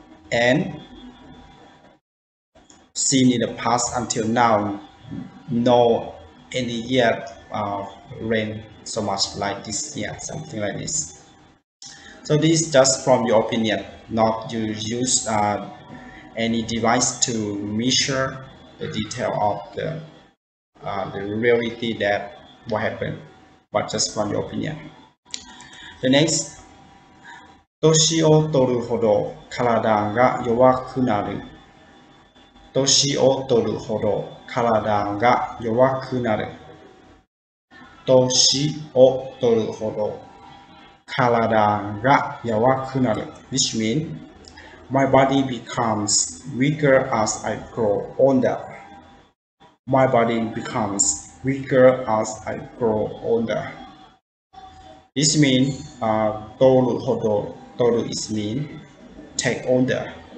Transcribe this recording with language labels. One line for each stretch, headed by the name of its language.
English: And seen in the past until now, no any year rain so much like this year, something like this. So this is just from your opinion, not you use any device to measure the detail of the reality that what happened, but just from your opinion. The next.
Japanese: 年を取るほど体が弱くなる。年を取るほど体が弱くなる。年を取るほど体が弱くなる。
English: Which means my body becomes weaker as I grow older. My body becomes weaker as I grow older. This means 取るほど Toru is mean take older.